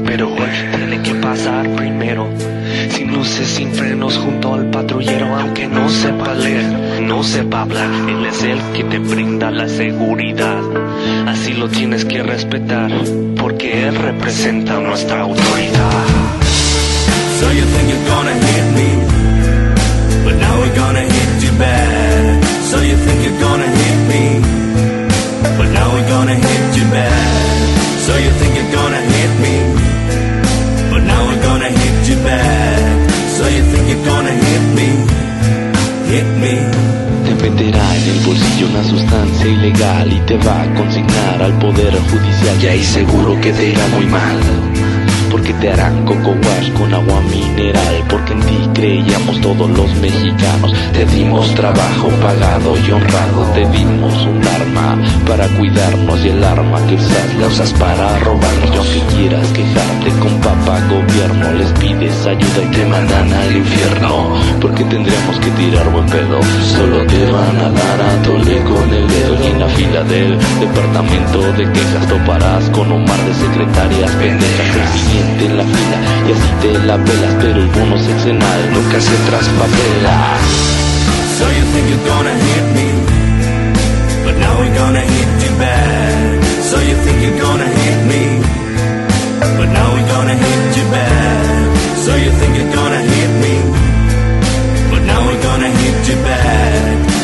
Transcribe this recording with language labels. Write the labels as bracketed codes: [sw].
[es] Pero hoy tiene que pasar primero. Sin luces, sin frenos, junto al patrullero. Aunque no sepa leer, no sepa hablar, él es el que te brinda la seguridad. Así lo tienes que respetar, porque él representa nuestra autoridad. [en] So you think you're gonna hit me, but now we're gonna hit you bad. So you think you're gonna hit me, but now we're gonna hit you bad. So you think you're gonna hit me, but now we're gonna hit you bad. So you think you're gonna hit me, hit me. [es] Venderá en el bolsillo una sustancia ilegal y te va a consignar al poder judicial. Y ahí seguro que te irá muy mal, porque te harán coco wash con agua mineral. Porque en ti creíamos todos los mexicanos. Te dimos trabajo pagado y honrado. Te dimos un arma para cuidarnos. Y el arma que usas la usas para robar. Y aunque quieras quejarte con papá gobierno, les pides ayuda y te mandan al infierno. Porque tendríamos que tirar buen pedo. Solo te van a dar a tole con el dedo. Y en la fila del departamento de quejas toparás con un mar de secretarias pendejas. Siente la fila y así te la pelas, pero el bono seccional nunca se traspapela. [en] So you think you're gonna hit me, but now we're gonna hit you bad. So you think you're gonna hit me, but now we're gonna hit you bad. So you think you're gonna hit me, but now we're gonna hit you bad.